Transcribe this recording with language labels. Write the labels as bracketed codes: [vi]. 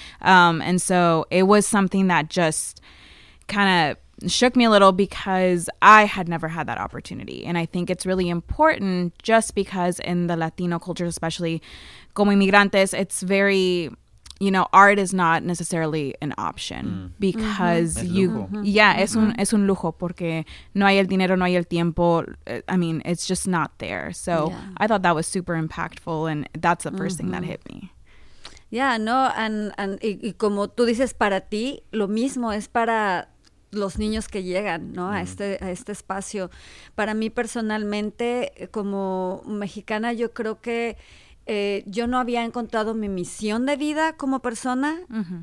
[en] And so it was something that just kind of shook me a little, because I had never had that opportunity. And I think it's really important, just because in the Latino culture, especially [es] como inmigrantes, [en] it's very, you know, art is not necessarily an option because mm-hmm. you, mm-hmm. yeah, mm-hmm. [es] es un lujo porque no hay el dinero, no hay el tiempo. [en] I mean, it's just not there. So yeah. I thought that was super impactful, and that's the first mm-hmm. thing that hit me. [es] Yeah, no, y como tú dices, para ti lo mismo es para los niños que llegan, ¿no? Mm-hmm. A este espacio. Para mí personalmente, como mexicana, yo creo que yo no había encontrado mi misión de vida como persona uh-huh.